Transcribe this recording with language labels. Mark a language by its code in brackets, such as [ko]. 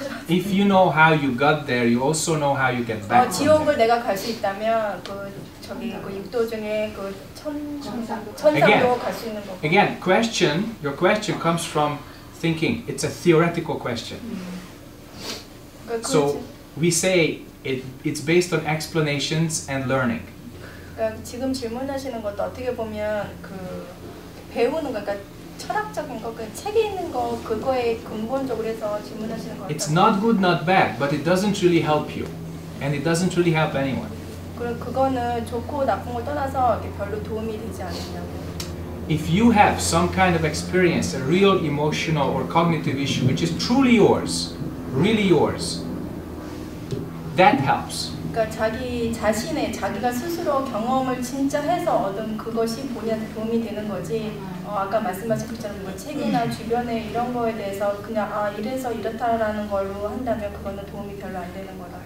[en] If you know how you got there, you also know how you get back. [ko] 지옥을 내가 갈 수 있다면 그 저기 그 육도 중에 그 천상도 갈 수 있는 거. [en] Again, question. Your question comes from thinking. It's a theoretical question. So we say it's based on explanations and learning. [ko] 그러니까 지금 질문하시는 것도 어떻게 보면 그 배우는 거, 그러니까 철학적인 거, 그 책에 있는 거, 그거에 근본적으로 해서 질문하시는 거 같아요. [en] It's not good, not bad, but it doesn't really help you. And it doesn't really help anyone. [ko] 그거는 좋고 나쁜 걸 떠나서 별로 도움이 되지 않는다고. [en] If you have some kind of experience, a real emotional or cognitive issue, which is truly yours, really yours, that helps. [ko] 그러니까 자기 자신의, 자기가 스스로 경험을 진짜 해서 얻은 그것이 본인한테 도움이 되는 거지, 아까 말씀하신 것처럼 뭐 책이나 주변에 이런 거에 대해서 그냥 아 이래서 이렇다라는 걸로 한다면 그거는 도움이 별로 안 되는 거라.